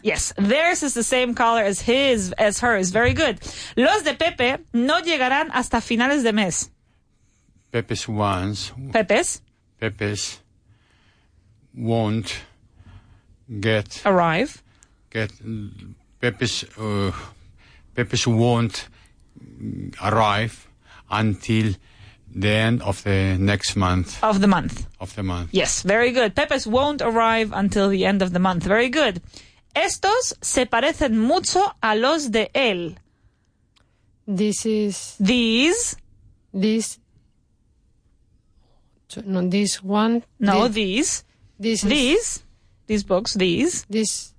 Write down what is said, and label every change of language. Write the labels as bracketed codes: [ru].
[en] Yes, theirs is the same color as his, as hers. Very good. [es] Los de Pepe no llegarán hasta finales de mes. [en] Pepe's ones. Pepe's. Pepe's won't get... Arrive. Get... Pepe's, Pepe's won't arrive until the end of the next month. Of the month. Of the month. Yes, very good. Pepe's won't arrive until the end of the month. Very good. [es] Estos se parecen mucho a los de él. [en] This is... These. This. No, this one. No, these. This. These. Is, these books. These. This.